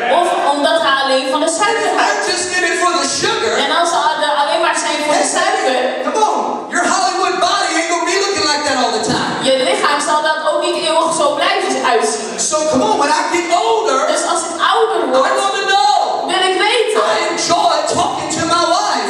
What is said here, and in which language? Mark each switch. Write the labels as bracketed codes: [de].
[nl] Of omdat hij alleen van de suiker houdt. [en] Just in it for the sugar. [nl] En als ze alleen maar zijn voor de suiker. [en] Come on, your Hollywood body ain't gonna be looking like that all the time. [nl] Je lichaam zal dat ook niet eeuwig zo blijven uitzien. [en] So come on, when I get older. [nl] Dus als ik ouder word. [en] I wanna know. [nl] Wil ik weten. [en] I enjoy talking to my wife.